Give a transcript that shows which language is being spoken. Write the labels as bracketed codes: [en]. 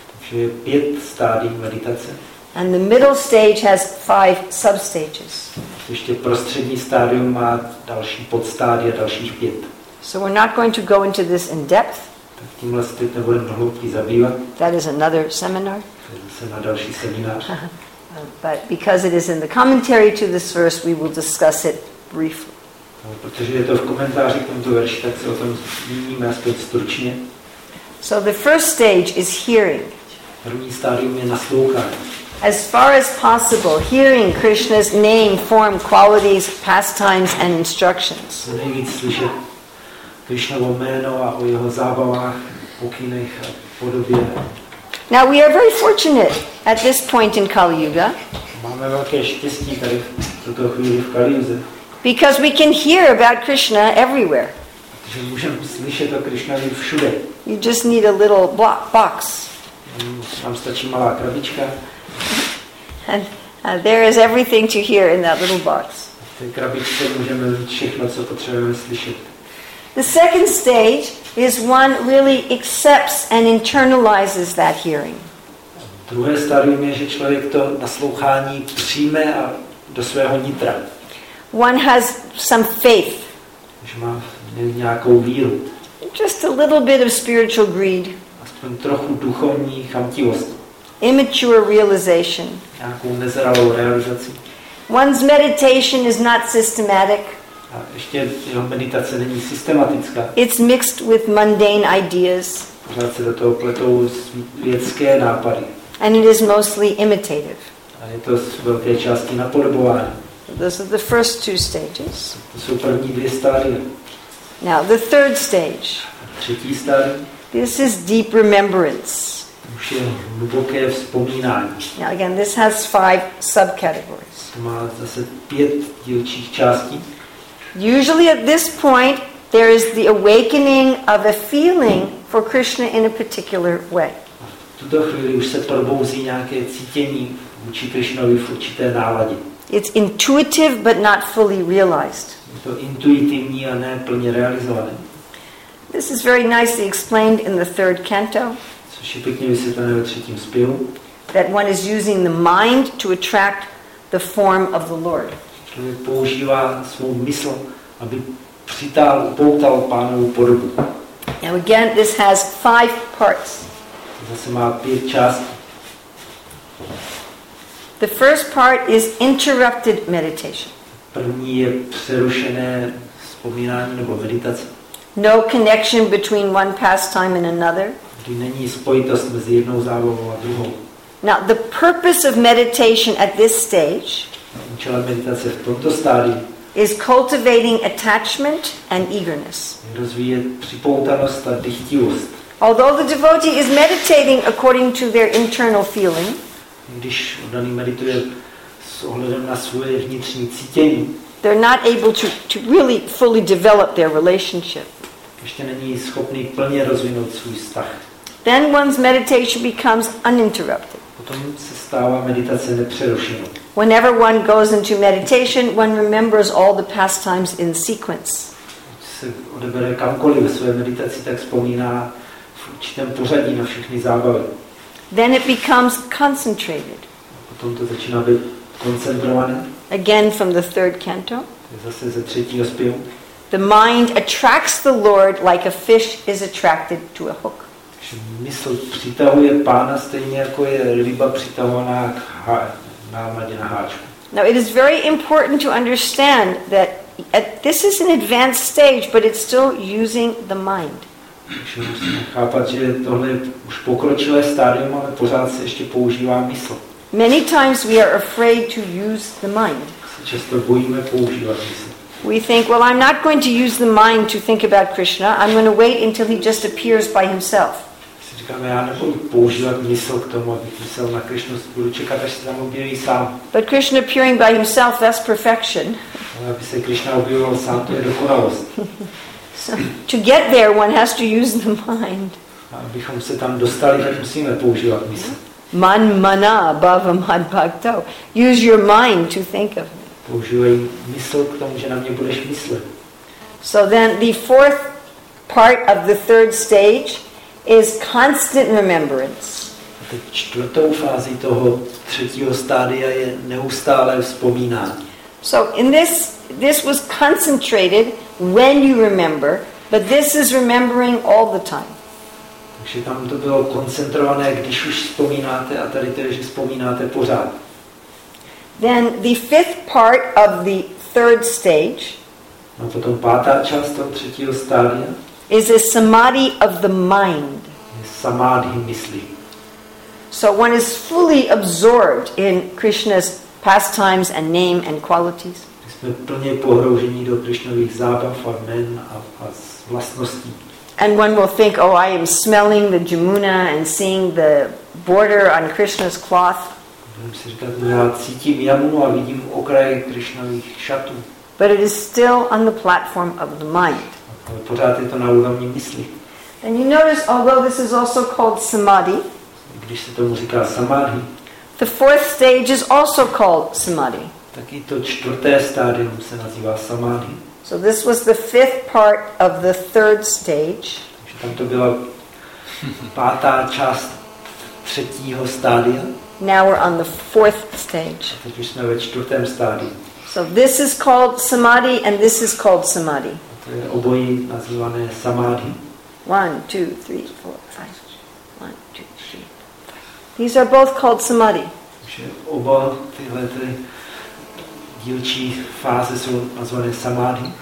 [cs] Takže je pět stádií meditace. [en] And the middle stage has five substages. [cs] Ještě prostřední stádium má další podstádie a dalších pět. [en] So we're not going to go into this in depth. [cs] Tak tímhle se teď nebudeme do hloubky zabývat. [en] That is another seminar. [cs] To je na další seminář. [en] But because it is in the commentary to this verse, we will discuss it briefly. [cs] No, protože je to v komentáři k tomuto verši, tak se o tom zmíníme aspoň stručně. [en] So the first stage is hearing. [cs] První stádium je naslouchání. [en] As far as possible, hearing Krishna's name, form, qualities, pastimes, and instructions. [cs] Co nejvíc slyšet Krishnovo jméno a o jeho zábavách, pokynech a podobě. [en] Now we are very fortunate at this point in Kali Yuga. [cs] Máme velké štěstí tady v tuto chvíli v Kali Yuze. [en] Because we can hear about Krishna everywhere. [cs] Protože můžeme slyšet o Krishnovi všude. [en] You just need a little box. [cs] Tam stačí malá krabička. [en] And there is everything to hear in that little box. [cs] V té krabičce můžeme mít všechno, co potřebujeme slyšet. [en] The second stage is one really accepts and internalizes that hearing. [cs] Druhé stádium je, že člověk to naslouchání přijme a do svého nitra. [en] One has some faith. [cs] Že má nějakou víru. [en] Just a little bit of spiritual greed. [cs] Aspoň trochu duchovní chamtivost. [en] Immature realization. [cs] Nějakou nezralou realizaci. [en] One's meditation is not systematic. [cs] A ještě jeho meditace není systematická. [en] It's mixed with mundane ideas. [cs] Pořád se do toho pletou světské nápady. [en] And it is mostly imitative. [cs] A je to z velké části napodobování. [en] Those are the first two stages. [cs] To jsou první dvě stádia. [en] Now the third stage. [cs] Třetí stádium. [en] This is deep remembrance. [cs] Už je hluboké vzpomínání. [en] Now again, this has five subcategories. [cs] To má zase pět dílčích částí. [en] Usually at this point there is the awakening of a feeling for Krishna in a particular way. [cs] V tuto chvíli už se probouzí nějaké cítění vůči Krishnovi v určité náladě. [en] It's intuitive, but not fully realized. [cs] Je to intuitivní a ne plně realizované. [en] This is very nicely explained in the third canto. [cs] Což je pěkně vysvětlené ve třetím zpěvu. [en] That one is using the mind to attract the form of the Lord. [cs] Člověk používá svou mysl, aby přitáhl, poutal Pánovu podobu. [en] Now again, this has five parts. [cs] Zase má pět částí. [en] The first part is interrupted meditation. [cs] První je přerušené vzpomínání nebo meditace. [en] No connection between one pastime and another. [cs] Kdy není spojitost mezi jednou zábavou a druhou. [en] Now the purpose of meditation at this stage. [cs] Účelem meditace v tomto stádiu. [en] Is cultivating attachment and eagerness. [cs] Rozvíjet připoutanost a dychtivost. [en] Although the devotee is meditating according to their internal feeling. [cs] Když oddaný medituje s ohledem na svoje vnitřní cítění. [en] They're not able to really fully develop their relationship. [cs] Ještě není schopný plně rozvinout svůj vztah. [en] Then one's meditation becomes uninterrupted. [cs] Potom se stává meditace nepřerušenou. [en] Whenever one goes into meditation, one remembers all the pastimes in sequence. [cs] Když se odebere kamkoliv ve své meditaci, tak vzpomíná v určitém pořadí na všechny zábavy. [en] Then it becomes concentrated. [cs] Potom to začíná být koncentrované. [en] Again from the third canto. [cs] Zase ze třetího zpěvu. [en] The mind attracts the Lord like a fish is attracted to a hook. [cs] Takže mysl přitahuje Pána stejně jako je ryba přitahovaná k námladě na háčku. [en] Now it is very important to understand that this is an advanced stage, but it's still using the mind. [cs] Takže musíme chápat, že tohle už pokročilé stádium, ale pořád se ještě používá mysl. [en] Many times we are afraid to use the mind. [cs] Často bojíme používat mysl. [en] We think, well, I'm not going to use the mind to think about Krishna. I'm going to wait until he just appears by himself. [cs] Si říkáme, já nebudu používat mysl k tomu, abych myslel na Krishnu, budu čekat, až se tam objeví sám. [en] But Krishna appearing by himself, that's perfection. [cs] Ale aby se Krishna objevil sám, to je dokonalost. [en] So, to get there, one has to use the mind. [cs] Abychom se tam dostali, tak musíme používat mysl. [sa] Man mana bhava man bhakto. [en] Use your mind to think of me. [cs] Používej mysl k tomu, že na mě budeš myslet. [en] So then the fourth part of the third stage is constant remembrance. [cs] A teď čtvrtou fázi toho třetího stádia je neustále vzpomínání. [en] So in this was concentrated when you remember, but this is remembering all the time. [cs] Takže tam to bylo koncentrované, když už vzpomínáte, a tady to je, že vzpomínáte pořád. [en] Then the fifth part of the third stage. [cs] No potom pátá část toho třetího stádia. [en] Is a samadhi of the mind. [cs] Samadhi myslí. [en] So one is fully absorbed in Krishna's pastimes and name and qualities. [cs] Jsme plně pohroužení do Krišnových zábav a jmen a vlastností. [en] And one will think, oh, I am smelling the Jamuna and seeing the border on Krishna's cloth. [cs] Budeme si říkat, no, já cítím Jamunu a vidím okraje Krišnových šatů. [en] But it is still on the platform of the mind. [cs] Ale pořád je to na úrovni mysli. [en] And you notice, although this is also called samadhi, [cs] když se tomu říká samadhi, [en] the fourth stage is also called samadhi. [cs] Taky to čtvrté stádium se nazývá samadhi. [en] So this was the fifth part of the third stage. [cs] Takže tam to byla pátá část třetího stádia. [en] Now we're on the fourth stage. [cs] A teď už jsme ve čtvrtém stádiu. [en] So this is called samadhi and this is called samadhi. [cs] A to je obojí nazývané samadhi. [en] One, two, three, four, five. One, two, three, five. These are both called samadhi. [cs] Takže oba tyhle tři dílčí fáze jsou nazvané samadhi.